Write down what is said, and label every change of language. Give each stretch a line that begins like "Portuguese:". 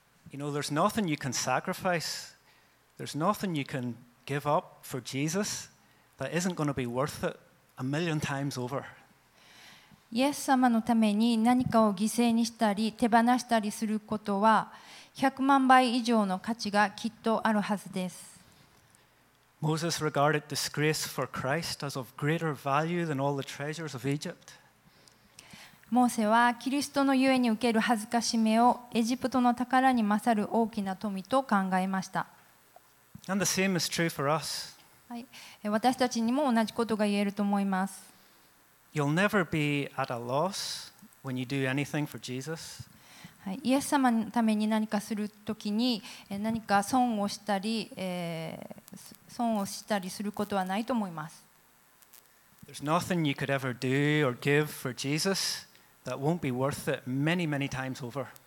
English: You know, there's nothing you can sacrifice. There's nothing you can give up for Jesus that isn't going to be worth it a million times over.
Japanese: イエス様のために何かを犠牲にしたり手放したりすることは100万倍以上の価値がきっとあるはずです。
English: Moses regarded disgrace for Christ as of greater value than all the treasures of Egypt.
Japanese: モーセはキリストのゆえに受ける恥ずかしめをエジプトの宝に勝る大きな富と考えました。
English: And the same is true for us.
Japanese: はい、私たちにも同じことが言えると思います。
English: You'll never be at a loss when you do anything for Jesus.
Japanese: イエス様のために何かするときに何か損をしたり、損をしたりすることはないと思います。
English: There's nothing you could ever do or give for Jesus that won't be worth it many, many times over.